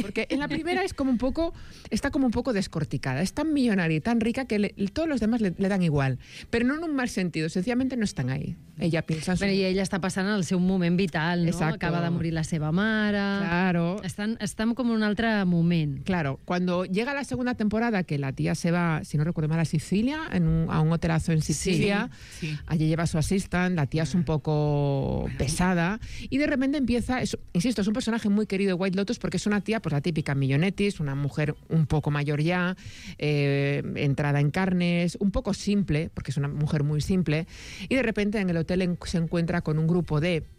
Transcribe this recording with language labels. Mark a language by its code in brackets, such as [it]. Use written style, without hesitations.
[es] Porque en la primera es como un poco... Está como un poco descorticada. Es tan millonaria y tan rica que todos los demás le dan igual. Pero no en un mal sentido. Sencillamente no están ahí. Ella piensa... [ca] Bueno, i ella està passant el seu moment vital, no? [es] Exacto. [ca] Acaba de morir la seva mare... [es] Claro. [ca] Estan com en un altre moment. [es] Claro, cuando llega la segunda temporada, que la tía se va, si no recuerdo mal, a Sicilia, a un hotelazo en Sicilia, allí lleva a su assistant, la tía es un poco pesada, y de repente es un personaje muy querido de White Lotus, porque es una tía, pues la típica millonetis, una mujer un poco mayor ya, entrada en carnes, un poco simple, porque es una mujer muy simple, y de repente en el hotel se encuentra con un grupo de